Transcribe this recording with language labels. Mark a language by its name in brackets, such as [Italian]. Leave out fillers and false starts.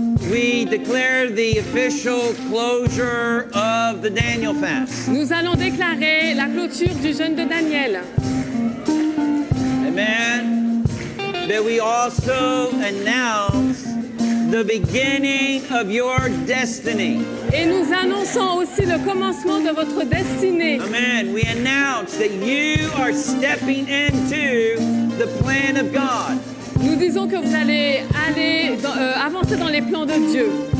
[English] we declare the official closure of the Daniel fast. [French] Nous allons déclarer la clôture du jeûne de Daniel. [English] Amen. That we also announce the beginning of your destiny. [French] Et nous annonçons aussi le commencement de votre destinée. [English] Amen. We announce that you are stepping into the plan of God. [French] Nous disons que vous allez avancer dans les plans de Dieu.